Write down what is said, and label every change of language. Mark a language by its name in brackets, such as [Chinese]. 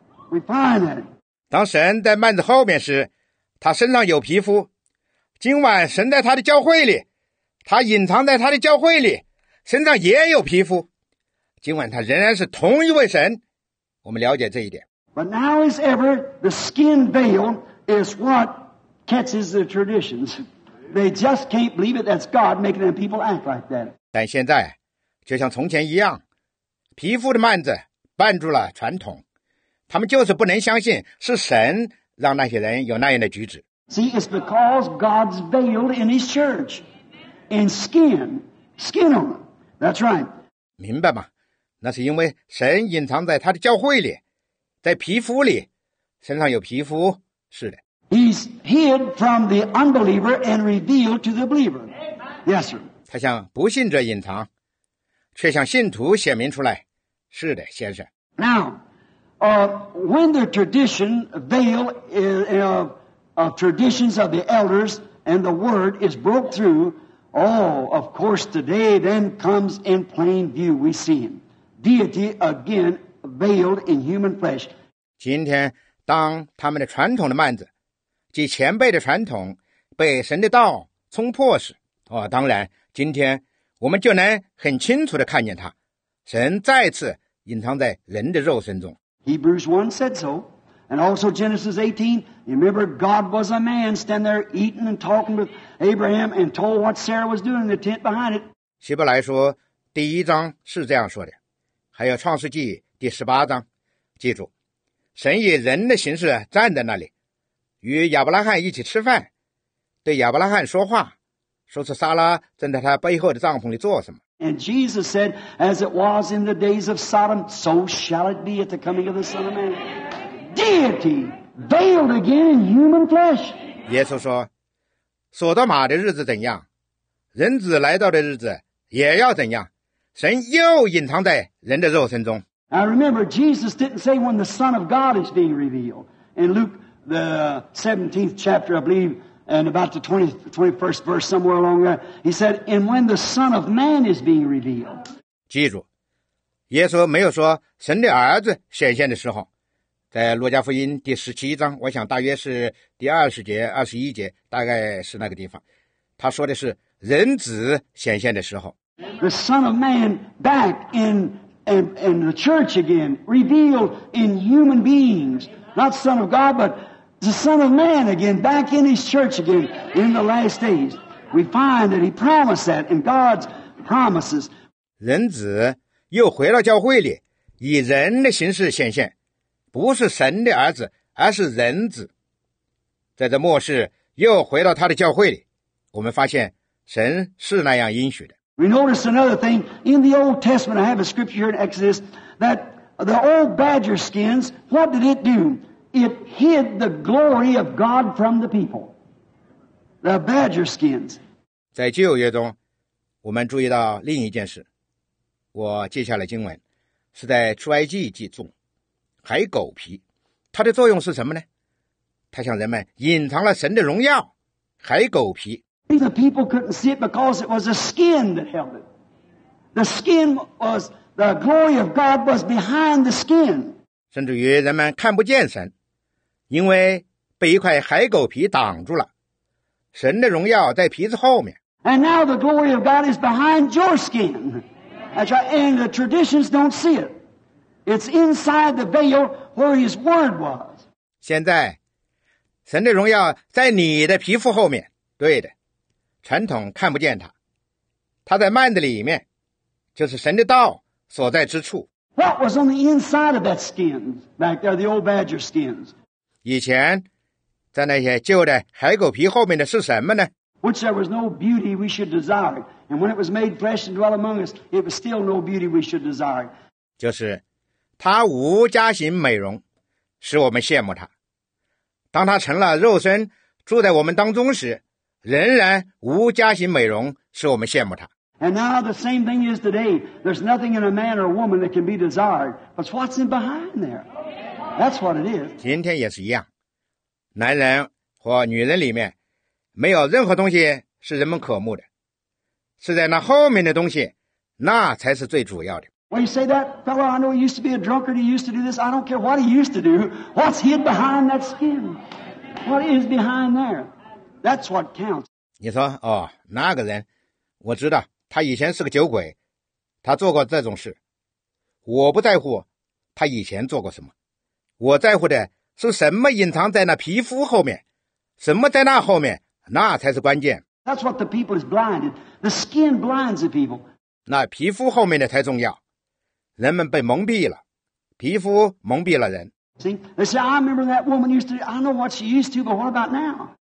[English] We find that. [Chinese] 当神在幔子后面时，他身上有皮肤。今晚神在他的教会里，他隐藏在他的教会里，身上也有皮肤。今晚他仍然是同一位神。我们了解这一点。 [English] But now as ever, the skin veil is what catches the traditions. They just can't believe it. That's God making them people act like that. [Chinese] 但现在，就像从前一样，皮肤的幔子绊住了传统，他们就是不能相信是神让那些人有那样的举止。 [English] See, it's because God's veiled in His church, in skin, skin on it. That's right. [Chinese] 明白吗？那是因为神隐藏在他的教会里，在皮肤里，身上有皮肤，是的。 [English] He's hid from the unbeliever and revealed to the believer. Yes, sir. [Chinese] 他向不信者隐藏，却向信徒显明出来，是的，先生。 [English] Now, when the tradition veil of traditions of the elders and the word is broke through, oh, of course, today then comes in plain view. We see him. Deity again veiled in human flesh. [Chinese] 今天，当他们的传统的幔子，即前辈的传统，被神的道冲破时，当然，今天我们就能很清楚地看见他，神再次隐藏在人的肉身中。 [English] Hebrews 1 said so, and also Genesis 18. You remember, God was a man standing there eating and talking with Abraham, and told what Sarah was doing in the tent behind it. [Chinese] 希伯来书第一章是这样说的。还有创世纪第十八章，记住，神以人的形式站在那里，与亚伯拉罕一起吃饭，对亚伯拉罕说话，说是撒拉正在他背后的帐篷里做什么。 [English] And Jesus said, as it was in the days of Sodom, so shall it be at the coming of the Son of Man. Deity veiled again in human flesh. [Chinese] 耶稣说，索多玛的日子怎样，人子来到的日子也要怎样。神又隐藏在人的肉身中。 [English] I remember Jesus didn't say when the Son of God is being revealed. In Luke, the 17th chapter, I believe, and about the 21st verse, somewhere along there, he said, and when the Son of Man is being revealed. [Chinese] 记住，耶稣没有说神的儿子显现的时候，在路加福音第17章，我想大约是第20节、21节，大概是那个地方，他说的是人子显现的时候。 [English] The Son of Man back in the church again, revealed in human beings. Not Son of God, but the Son of Man again, back in His church again, in the last days. We find that He promised that in God's promises. [Chinese] 人子又回到教会里，以人的形式显现，不是神的儿子，而是人子。在这末世又回到他的教会里，我们发现神是那样应许的。 [English] We notice another thing in the Old Testament. I have a scripture here in Exodus that the old badger skins. What did it do? It hid the glory of God from the people. The badger skins. [Chinese] 在旧约中，我们注意到另一件事。我记下了经文，是在出埃及记中。还狗皮，它的作用是什么呢？它向人们隐藏了神的荣耀。还狗皮。 [English] The people couldn't see it because it was a skin that held it. The skin was, the glory of God was behind the skin. [Chinese] 甚至于人们看不见神，因为被一块海狗皮挡住了。神的荣耀在皮子后面。 [English] And now the glory of God is behind your skin. That's right. And the traditions don't see it. It's inside the veil where His word was. [Chinese] 现在，神的荣耀在你的皮肤后面。对的。传统看不见他，他在幔子里面，就是神的道所在之处。 [English] What was on the inside of that skin back there, the old badger skins? [Chinese] 以前在那些旧的海狗皮后面的是什么呢？ [English] Which there was no beauty we should desire. And when it was made flesh and dwelt among us, it was still no beauty we should desire. [Chinese] 就是他无加行美容，使我们羡慕他。当他成了肉身住在我们当中时，仍然无加行美容，使我们羡慕他。 [English] And now the same thing is today. There's nothing in a man or a woman that can be desired. But what's in behind there? That's what it is. [Chinese] 今天也是一样，男人或女人里面没有任何东西是人们渴慕的，是在那后面的东西，那才是最主要的。 [English] When you say that fellow, I know he used to be a drunkard. He used to do this. I don't care what he used to do. What's hid behind that skin? What is behind there? That's what counts. [Chinese] 你说哦，那个人，我知道。他以前是个酒鬼，他做过这种事。我不在乎他以前做过什么，我在乎的是什么隐藏在那皮肤后面，什么在那后面，那才是关键。 [English] That's what the people is blinded. The skin blinds the people. [Chinese] 那皮肤后面的才重要。人们被蒙蔽了，皮肤蒙蔽了人。 [English] See, they say, I remember that woman used to. I know what she used to, but what about now?